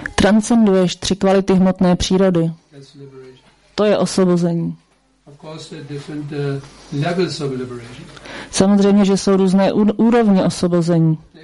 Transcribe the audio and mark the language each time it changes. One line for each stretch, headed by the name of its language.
Czech: Transcenduješ tři kvality hmotné přírody.
English: That's liberation.
Czech: To je osvobození.
English: Of course there are different levels of liberation.
Czech: Samozřejmě, že jsou různé úrovně osvobození.